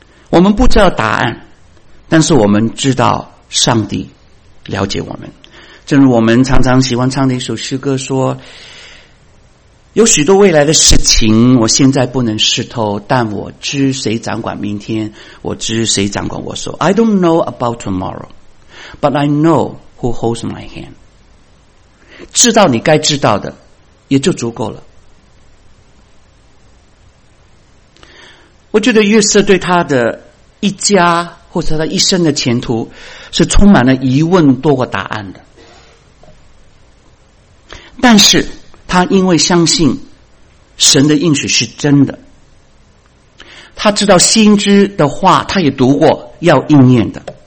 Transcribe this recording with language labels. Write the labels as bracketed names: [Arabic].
[Chinese] 我们不知道答案，但是我们知道上帝了解我们。正如我们常常喜欢唱的一首诗歌说，有许多未来的事情我现在不能视透，但我知谁掌管明天，我知谁掌管我手。 [English] I don't know about tomorrow, but I know who holds my hand. [Chinese] 知道你该知道的也就足够了。我觉得约瑟对他的一家或者他一生的前途是充满了疑问多过答案的，但是他因为相信神的应许是真的，他知道先知的话他也读过要应验的。